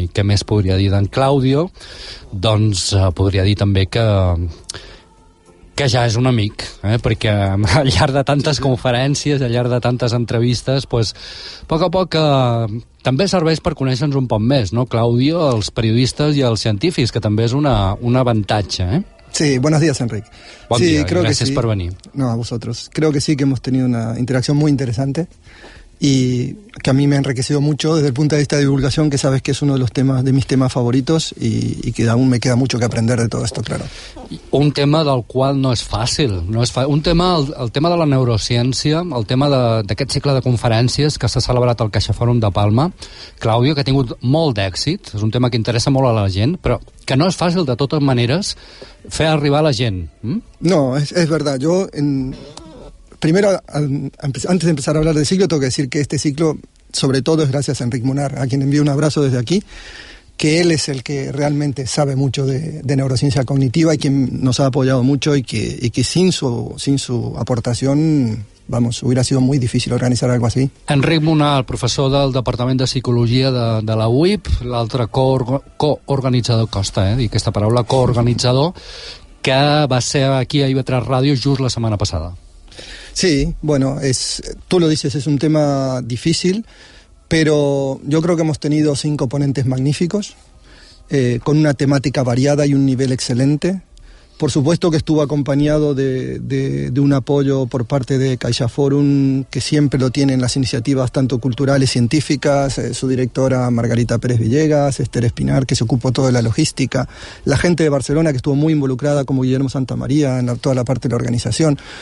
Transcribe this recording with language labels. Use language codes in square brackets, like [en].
[ca] I què més podria dir d'en Claudio? Doncs podria dir també que ja és un amic, perquè al llarg de tantes conferències, al llarg de tantes entrevistes, pues, a poc a poc també serveix per conèixer-nos un poc més, no, Claudio, els periodistes i els científics, que també és un avantatge, eh? [es] Sí, buenos días, Enric. [ca] Bon dia, [es] gracias por venir. No, a vosotros. Creo que sí que hemos tenido una interacción muy interesante y que a mí me ha enriquecido mucho desde el punto de vista de divulgación, que sabes que es uno de los temas, de mis temas favoritos, y que aún me queda mucho que aprender de todo esto, claro. [ca] Un tema del qual no és fàcil, el tema de la neurociència, el tema d'aquest cicle de conferències que s'ha celebrat al CaixaForum de Palma, Claudio, que ha tingut molt d'èxit, és un tema que interessa molt a la gent, però que no és fàcil, de totes maneres, fer arribar a la gent. [es] No, és verdad, yo... Primero, antes de empezar a hablar del ciclo, tengo que decir que este ciclo, sobre todo, es gracias a Enric Munar, a quien envío un abrazo desde aquí, que él es el que realmente sabe mucho de neurociencia cognitiva y quien nos ha apoyado mucho, y que sin su aportación, vamos, hubiera sido muy difícil organizar algo así. [ca] Enric Munar, el professor del Departament de Psicologia de la UIP, l'altre coorganitzador, costa, dir aquesta paraula, coorganitzador, que va ser aquí a IB3 Ràdio just la setmana passada. [es] Sí, bueno, tú lo dices, es un tema difícil, pero yo creo que hemos tenido 5 ponentes magníficos, con una temática variada y un nivel excelente. Por supuesto que estuvo acompañado de un apoyo por parte de CaixaForum, que siempre lo tienen las iniciativas tanto culturales, científicas, su directora Margarita Pérez Villegas, Esther Espinar, que se ocupó toda la logística, la gente de Barcelona, que estuvo muy involucrada, como Guillermo Santamaría, en toda la parte de la organización.